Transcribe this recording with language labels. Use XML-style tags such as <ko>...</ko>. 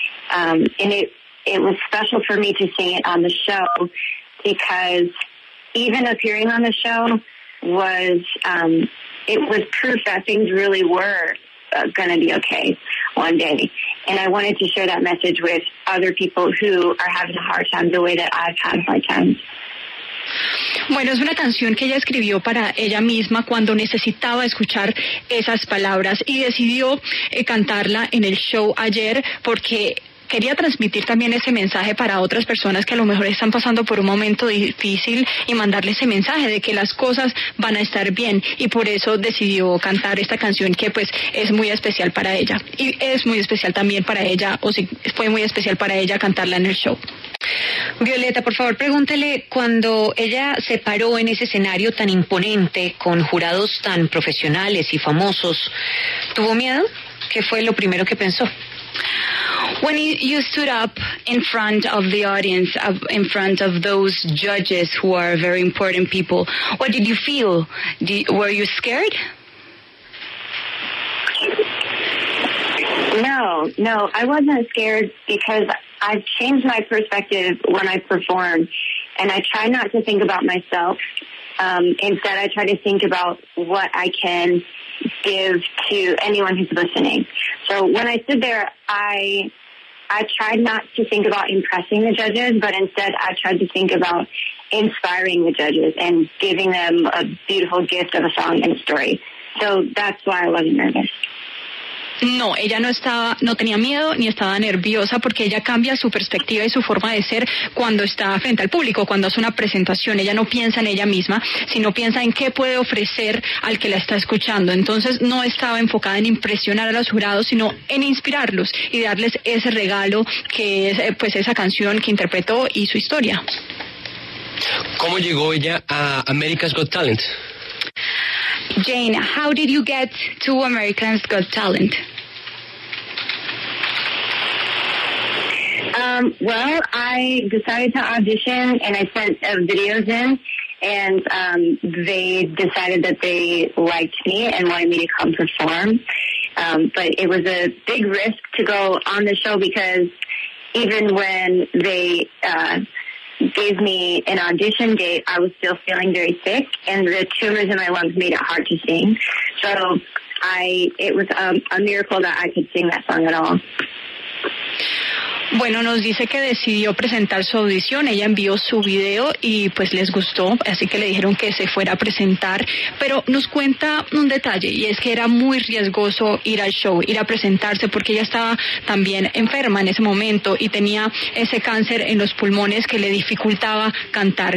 <en>And it was special for me to sing it on the show because even appearing on the show was, it was proof that things really were going to be okay one day. And I wanted to share that message with other people who are having a hard time the way that I've had hard times.</en> <es>Bueno, es una canción que ella escribió para ella misma cuando necesitaba escuchar esas palabras y decidió cantarla en el show ayer porque quería transmitir también ese mensaje para otras personas que a lo mejor están pasando por un momento difícil y mandarle ese mensaje de que las cosas van a estar bien, y por eso decidió cantar esta canción que pues es muy especial para ella y es muy especial también para ella, o si fue muy especial para ella cantarla en el show. Violeta, por favor, pregúntele, cuando ella se paró en ese escenario tan imponente con jurados tan profesionales y famosos, ¿tuvo miedo? ¿Qué fue lo primero que pensó?</es> <en>When you stood up in front of the audience, in front of those judges who are very important people, what did you feel? Were you scared? No, I wasn't scared because I've changed my perspective when I perform, and I try not to think about myself. Instead, I try to think about what I can give to anyone who's listening. So when I stood there, I tried not to think about impressing the judges, but instead I tried to think about inspiring the judges and giving them a beautiful gift of a song and a story. So that's why I wasn't nervous.</en> <es>No, ella no tenía miedo ni estaba nerviosa porque ella cambia su perspectiva y su forma de ser cuando está frente al público, cuando hace una presentación. Ella no piensa en ella misma, sino piensa en qué puede ofrecer al que la está escuchando. Entonces no estaba enfocada en impresionar a los jurados, sino en inspirarlos y darles ese regalo que es pues esa canción que interpretó y su historia. ¿Cómo llegó ella a America's Got Talent?</es> <en>Jane, how did you get to America's Got Talent? Well, I decided to audition and I sent videos in, and they decided that they liked me and wanted me to come perform. But it was a big risk to go on the show because even when they gave me an audition date, I was still feeling very sick, and the tumors in my lungs made it hard to sing. So it was a miracle that I could sing that song at all.</en> <es>Bueno, nos dice que decidió presentar su audición. Ella envió su video y pues les gustó, así que le dijeron que se fuera a presentar. Pero nos cuenta un detalle, y es que era muy riesgoso ir al show, ir a presentarse, porque ella estaba también enferma en ese momento y tenía ese cáncer en los pulmones que le dificultaba cantar.</es>